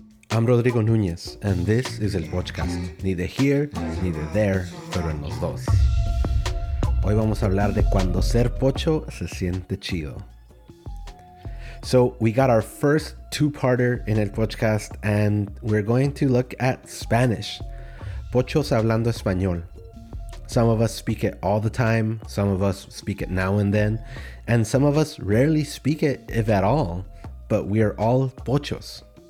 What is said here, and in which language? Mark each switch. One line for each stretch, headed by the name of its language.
English: I'm Rodrigo Núñez, and this is El Podcast. Neither here, neither there,
Spanish: pero en los dos. Hoy vamos a hablar de cuando ser pocho se siente chido.
English: So we got our first two-parter in El Podcast, and we're going to look at Spanish.
Spanish: Pochos hablando español.
English: Some of us speak it all the time, some of us speak it now and then, and some of us rarely speak it, if at all, but we are all pochos.